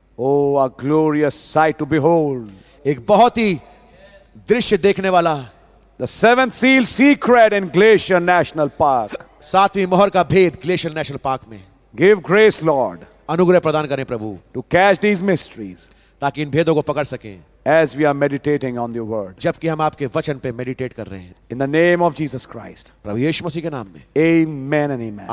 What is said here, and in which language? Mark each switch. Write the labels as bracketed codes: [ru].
[en] Oh, a glorious sight to behold, [hi] एक बहुत ही दृश्य देखने वाला, [en] the seventh seal secret in Glacier National Park, [hi] सातवीं मोहर का भेद Glacier National Park में. [en] Give grace, Lord. [hi] अनुग्रह प्रदान करें प्रभु [en] to catch these mysteries [hi] ताकि इन भेदों को पकड़ सकें [en] as we are meditating on your word [hi] जबकि हम आपके वचन पे मेडिटेट कर रहे हैं [en] in the name of Jesus Christ [hi] प्रभु यीशु मसीह के नाम में [en] आमीन एंड आमीन